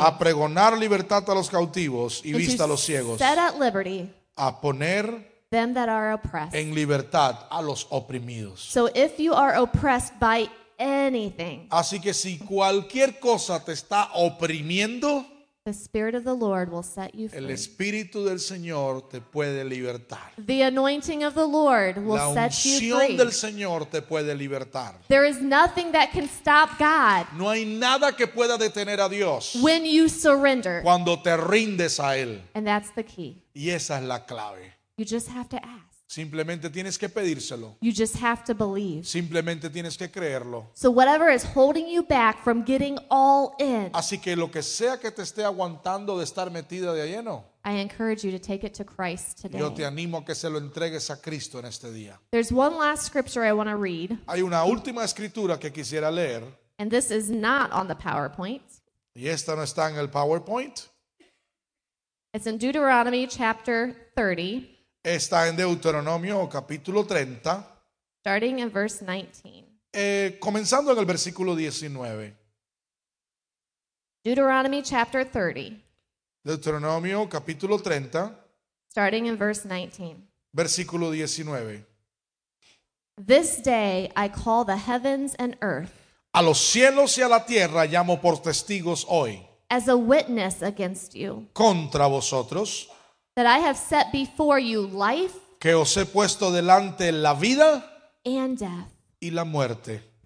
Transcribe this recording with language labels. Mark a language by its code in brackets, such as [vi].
[es] A pregonar libertad a los cautivos y vista a los ciegos. [en] Set at liberty. [es] A poner [en] them that are oppressed. [es] En libertad a los oprimidos. [en] So if you are oppressed by anything. [es] Así que si cualquier cosa te está oprimiendo. [en] The Spirit of the Lord will set you free. [es] El Espíritu del Señor te puede libertar. [en] The anointing of the Lord will set you free. [es] La unción del Señor te puede libertar. [en] There is nothing that can stop God. [es] No hay nada que pueda detener a Dios. [en] When you surrender. [es] Cuando te rindes a Él. [en] And that's the key. [es] Y esa es la clave. [en] You just have to ask. [es] Simplemente tienes que pedírselo. [en] You just have to believe. [es] Simplemente tienes que creerlo. [en] So whatever is holding you back from getting all in. [es] Así que lo que sea que te esté aguantando de estar metida de lleno. [en] I encourage you to take it to Christ today. [es] Yo te animo a que se lo entregues a Cristo en este día. [en] There's one last scripture I want to read. [es] Hay una última escritura que quisiera leer. [en] And this is not on the PowerPoint. [es] Y esta no está en el PowerPoint. [en] It's in Deuteronomy chapter 30. [es] Está en Deuteronomio capítulo 30. [en] Starting in verse 19. [es] Comenzando en el versículo 19. [en] Deuteronomy chapter 30. [es] Deuteronomio capítulo 30. [en] Starting in verse 19. [es] Versículo 19. [en] This day I call the heavens and earth. [es] A los cielos y a la tierra llamo por testigos hoy. [en] As a witness against you. [es] Contra vosotros. [en] That I have set before you life. [es] Que os he puesto delante la vida. [en] And death. [es] Y la muerte.